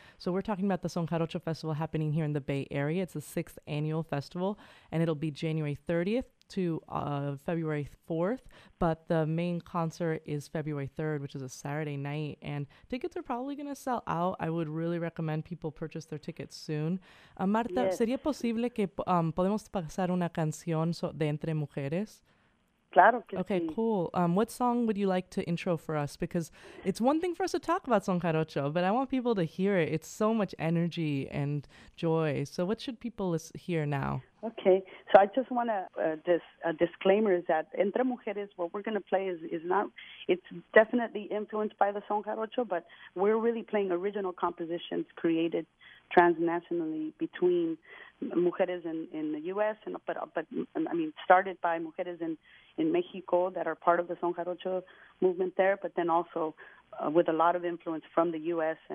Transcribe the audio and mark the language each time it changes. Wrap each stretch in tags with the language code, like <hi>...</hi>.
<en>So we're talking about the Son Jarocho Festival happening here in the Bay Area. It's the 6th annual festival, and it'll be January 30th to February 4th. But the main concert is February 3rd, which is a Saturday night, and tickets are probably going to sell out. I would really recommend people purchase their tickets soon. Marta, yes.</en> <es>¿Sería posible que podemos pasar una canción de Entre Mujeres? Claro,</es> <en>okay,</en> <es>sí.</es> <en>Cool. What song would you like to intro for us? Because it's one thing for us to talk about Son Jarocho, but I want people to hear it. It's so much energy and joy. So what should people hear now? Okay, so I just want to, disclaimer is that Entre Mujeres, what we're going to play is not, it's definitely influenced by the Son Jarocho, but we're really playing original compositions created transnationally between mujeres in the U.S., and but I mean, started by mujeres in Mexico that are part of the Son Jarocho movement there, but then also with a lot of influence from the U.S.</en>